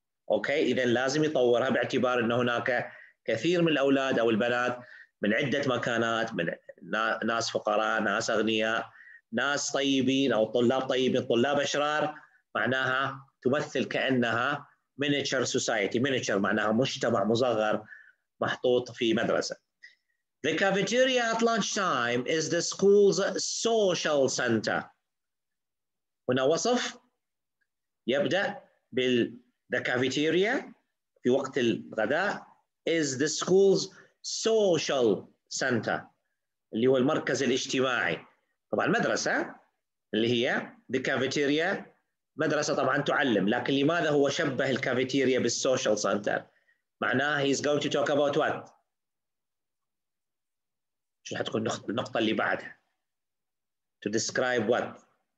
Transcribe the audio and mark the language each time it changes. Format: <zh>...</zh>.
<ar>اوكي، اذا لازم يطورها باعتبار ان هناك كثير من الاولاد او البنات من عده مكانات، من ناس فقراء، ناس اغنياء، ناس طيبين او طلاب طيبين، طلاب اشرار، معناها تمثل كانها مينيتشر سوسايتي، مينيتشر معناها مجتمع مصغر محطوط في مدرسه.</ar> <en>The cafeteria at lunchtime is the school's social center.</en> <ar>هنا وصف يبدأ بال the cafeteria في وقت الغداء</ar> <en>is the school's social center</en> <ar>اللي هو المركز الاجتماعي. طبعا المدرسة اللي هي the cafeteria مدرسة طبعا تعلم، لكن لماذا هو شبه الكافيتيريا بالsocial center؟ معناه</ar> <en>he's going to talk about what؟</en> <ar>شو حتكون النقطة اللي بعدها؟</ar> <en>To describe what؟</en>